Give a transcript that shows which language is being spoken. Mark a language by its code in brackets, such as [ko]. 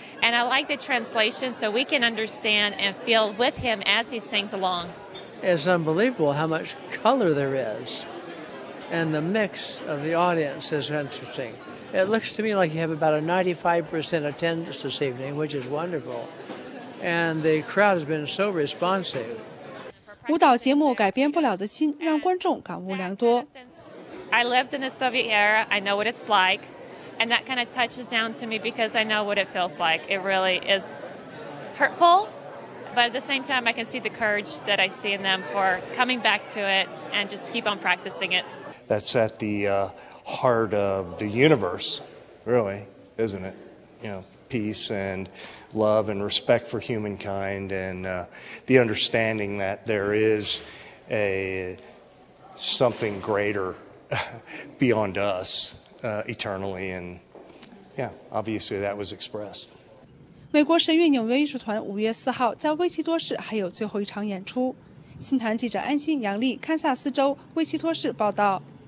[en] And I like the translation so we can understand and feel with him as he sings along. It's unbelievable how much color there is. And the mix of the audience is interesting. It looks to me like you have about a 95% attendance this evening, which is wonderful. And the crowd has been so responsive. [zh] 舞蹈节目改编不了的心让观众感悟良多。 [en] I lived in the Soviet era. I know what it's like. And that kind of touches down to me because I know what it feels like. It really is hurtful, but at the same time, I can see the courage that I see in them for coming back to it and just keep on practicing it. That's at the heart of the universe, really, isn't it? You know, peace and love and respect for humankind and the understanding that there is a something greater beyond us eternally. And yeah, obviously that was expressed. [zh] 美国神韵纽约艺术团五月四号在威奇多市还有最后一场演出。新唐人记者安心杨丽，堪萨斯州威奇多市报道。